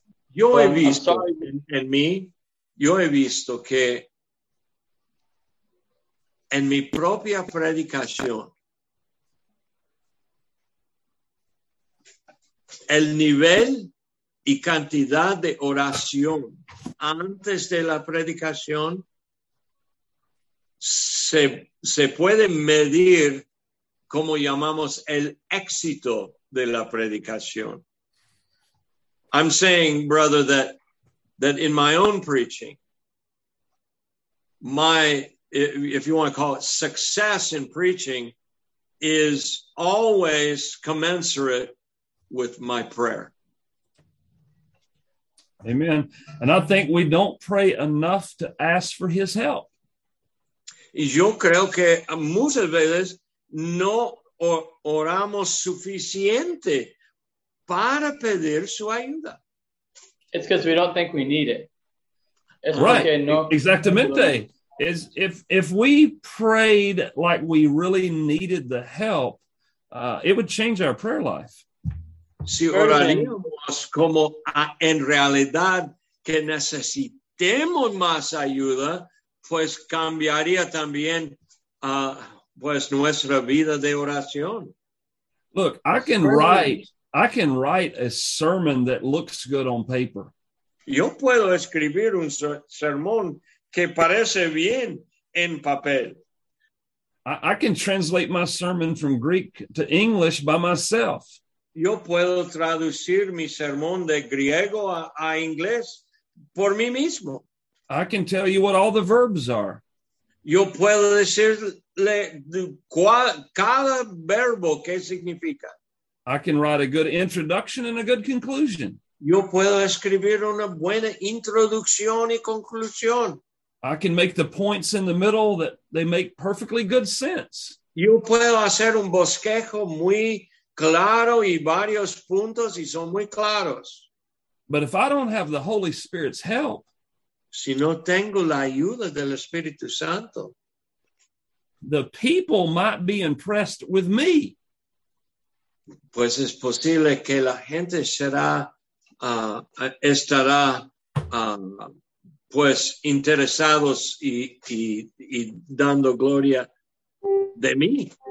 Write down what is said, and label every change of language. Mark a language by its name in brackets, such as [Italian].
[Spanish] Yo he visto en mí, yo he visto que en mi propia predicación, el nivel y cantidad de oración antes de la predicación se puede medir, como llamamos, el éxito de la predicación. [English] I'm saying, brother, that in my own preaching, my, if you want to call it success in preaching, is always commensurate with my prayer. Amen. And I think we don't pray enough to ask for his help. [Spanish] Yo creo que muchas veces no oramos suficiente para pedir su ayuda. [English] It's because we don't think we need it. [Spanish] Es right. No, exactamente. [English] Is if we prayed like we really needed the help, it would change our prayer life. [Spanish] Si oraríamos como en realidad que necesitemos más ayuda, pues cambiaría también pues nuestra vida de oración. [English] Look, I can write a sermon that looks good on paper. [Spanish] Yo puedo escribir un sermón que parece bien en papel. [English] I can translate my sermon from Greek to English by myself. [Spanish] Yo puedo traducir mi sermón de griego a inglés por mí mismo. [English] I can tell you what all the verbs are. [Spanish] Yo puedo decirle cada verbo que significa. [English] I can write a good introduction and a good conclusion. [Spanish] Yo puedo escribir una buena introducción y conclusión. [English] I can make the points in the middle that they make perfectly good sense. [Spanish] Yo puedo hacer un bosquejo muy claro y varios puntos y son muy claros. [English] But if I don't have the Holy Spirit's help, [Spanish] si no tengo la ayuda del Espíritu Santo, [English] the people might be impressed with me. [Spanish] Pues es posible que la gente será estará pues interesados y dando gloria de mí.